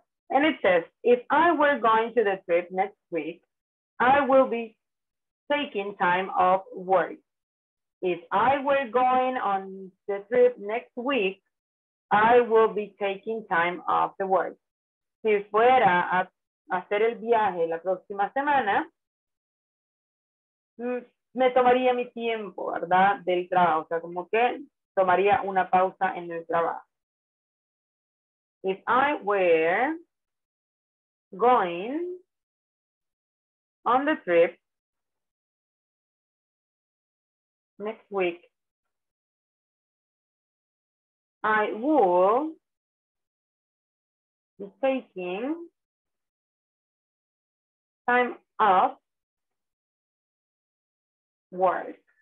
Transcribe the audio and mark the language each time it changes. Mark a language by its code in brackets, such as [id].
[en] And it says, if I were going to the trip next week, I will be taking time off work. If I were going on the trip next week, I will be taking time off the work. [es] Si fuera a hacer el viaje la próxima semana, me tomaría mi tiempo, ¿verdad? Del trabajo, o sea, como que tomaría una pausa en el trabajo. [en] If I were going on the trip next week, I would be taking time off work.